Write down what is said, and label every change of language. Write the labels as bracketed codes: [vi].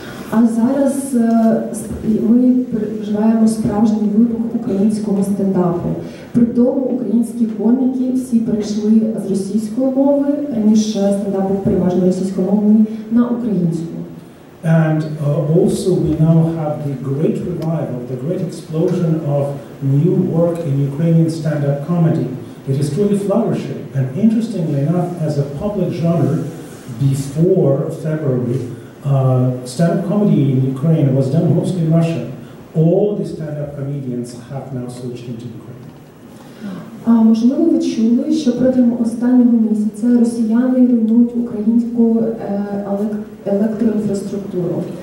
[uk] А зараз ми переживаємо справжній вибух українського стендапу. При тому українські коміки всі перейшли з російської мови, раніше стендап був переважно російськомовний, на українську. [en] And also we now have the great revival, the great explosion of new work in Ukrainian stand-up comedy. It is truly flourishing. And interestingly enough, as a public genre, before February, stand-up comedy in Ukraine was done mostly in Russian. All the stand-up comedians have now switched into Ukraine. [uk] Можливо, ви чули, що протягом останнього місяця росіяни руйнують українську електроінфраструктуру.